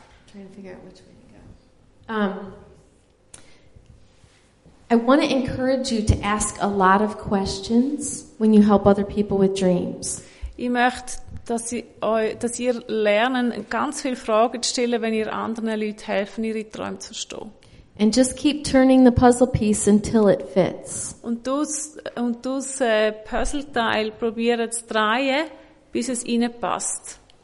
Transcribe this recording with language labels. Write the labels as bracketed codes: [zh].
[en] Trying to figure out which way to go. I want to encourage you to ask a lot of questions when you help other people with dreams. [de] Ich möchte, dass ihr lernen, ganz viele Fragen zu stellen, wenn ihr anderen Leuten helfen, ihre Träume zu verstehen. [en] And just keep turning the puzzle piece until it fits. [de] Und das Puzzleteil probieren zu drehen, bis es ihnen passt.